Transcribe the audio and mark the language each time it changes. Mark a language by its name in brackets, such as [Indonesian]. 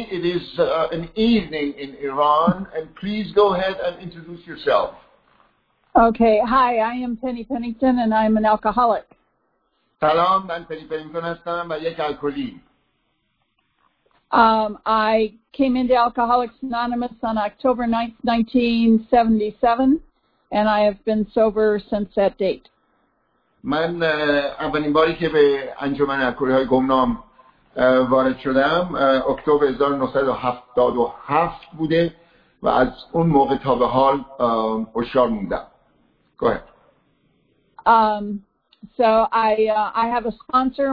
[English] It is an evening in Iran, and please go ahead and introduce yourself. Okay. Hi, I am Penny Pennington, and I'm an alcoholic. [Persian] سلام، من پنی پنیکتون هستم و یک الکلی. [English] I came into Alcoholics Anonymous on October 9th, 1977, and I have been sober since that date. [Persian] من اولین باری که به انجمن الکلی‌های گمنام وارد شدم اکتبر 1977 بوده و از اون موقع تا به حال هوشیار موندم. [English] Go ahead. So I have a sponsor.